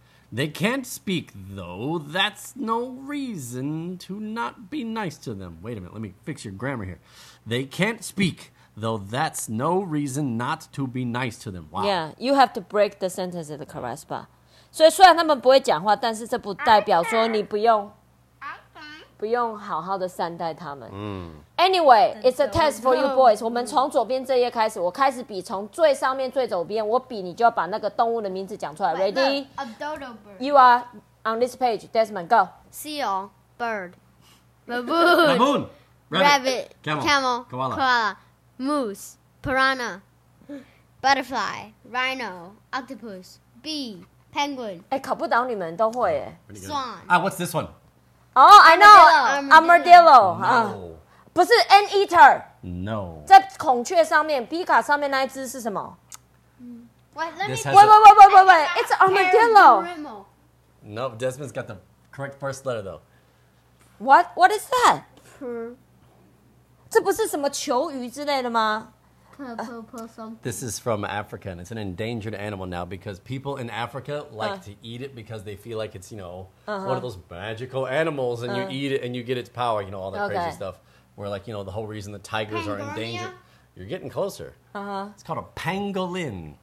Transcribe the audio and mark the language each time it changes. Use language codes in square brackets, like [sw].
[en] They can't speak, though. That's no reason to not be nice to them. Wait a minute. Let me fix your grammar here. They can't speak, though. That's no reason not to be nice to them. Wow. Yeah, you have to break the sentence at the correct spot. [zh] 所以虽然他们不会讲话, 但是这不代表说你不用, 不用好好的善待他们. [en] Anyway, it's a test for you boys. [zh] 我们从左边这页开始, 我开始比从最上面最左边, 我比你就要把那个动物的名字讲出来. [en] Ready? A dodo bird. You are on this page. Desmond, go. Seal, bird, baboon, rabbit, camel, koala, moose, piranha, butterfly, rhino, octopus, bee, penguin. [zh] 考不倒你们都会耶. [en] Swan. What's this one? Oh, I know. Armadillo. No. [zh] 不是 [en] anteater. No. [zh] 在孔雀上面, Pika上面那一只是什么? [en] Wait. It's armadillo. No, Desmond's got the correct first letter, though. What is that? [zh] 这不是什么球鱼之类的吗? [en] This is from Africa, and it's an endangered animal now because people in Africa like to eat it because they feel like it's, you know, one of those magical animals, and you eat it and you get its power, you know, all that crazy stuff. Where, like, you know, the whole reason the tigers pangolin? Are endangered. You're getting closer. It's called a pangolin.